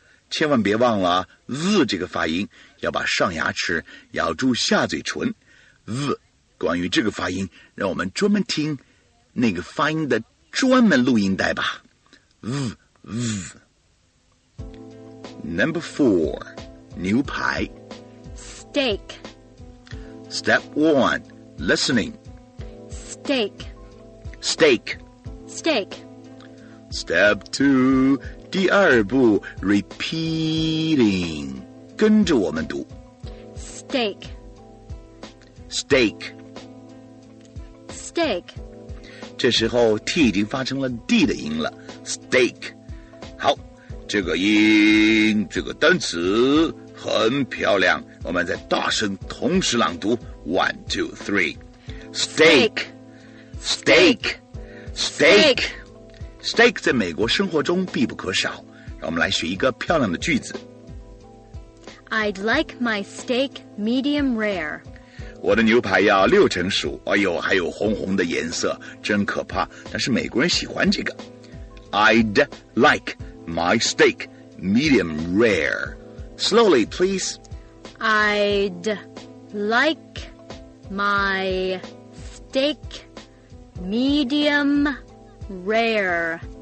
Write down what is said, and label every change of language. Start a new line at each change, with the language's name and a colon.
Chinese: 千万别忘了z 这个发音，要把上牙齿咬住下嘴唇。 z 关于这个发音，让我们专门听那个发音的专门录音带吧。
English: z Number four,
Chinese: 牛排。
English: Steak. Step one, listening. Steak. Steak. Steak. Step two.
Chinese: 第二步
English: repeating，
Chinese: 跟着我们读。
English: Steak. Steak. Steak.
Chinese: 这时候 T 已经发成了 D 的音了。
English: Steak.
Chinese: 好，这个音，这个单词很漂亮。我们再大声同时朗读。
English: 1, 2, 3. Steak. Steak. Steak. Steak.
Chinese: Steak 在美国生活中必不可少，让我们来学一个漂亮的句子。
English: I'd like my steak medium rare.
Chinese: 我的牛排要六成熟，哎呦，还有红红的颜色，真可怕，但是美国人喜欢这个。
English: I'd like my steak medium rare. Slowly, please. I'd like my steak medium rare.